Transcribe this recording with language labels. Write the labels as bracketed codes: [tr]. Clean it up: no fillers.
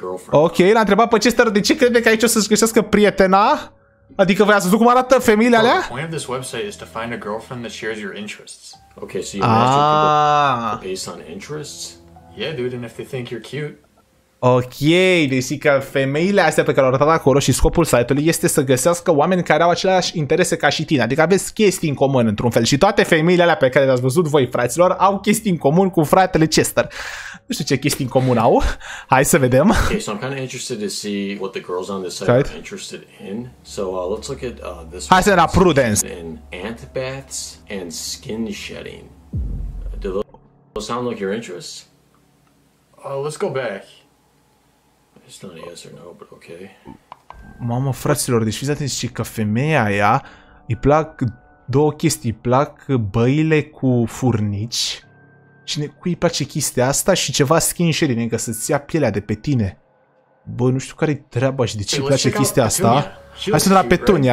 [ro] Ok, l-a întrebat pe Chester, de ce crede că aici o să-și găsească prietena? Adică voi ați văzut cum arată femeile alea? [en] The point of this website is to find a girlfriend that shares your interests. Okay, so you match people based on interests? Yeah, dude, and if they think you're cute. [ro] Ok, deci că femeile astea pe care au arătat acolo și scopul site-ului este să găsească oameni care au aceleași interese ca și tine. Adică aveți chestii în comun într-un fel și toate femeile alea pe care le-ați văzut voi, fraților, au chestii în comun cu fratele Chester. Nu știu ce chestii în comun au. Hai să vedem. [en] Okay, so I'm kind of interested to see what the girls on this site are interested in. So let's look at this. [ro] Hai să ne la Prudence. [en] Ant baths and skin shedding. Do those sound like your interests? Let's go back. It's not a yes or no, but okay. [ro] Mamă, fraților, deci fiți atenți și că femeia aia îi plac două chestii. Îi plac băile cu furnici. Cine, cui îi place chestia asta și ceva [en] skin shedding, [ro] încă să-ți ia pielea de pe tine. Bă, nu știu care-i treaba și de ce îi place chestia asta. Hai să ne la Petunia.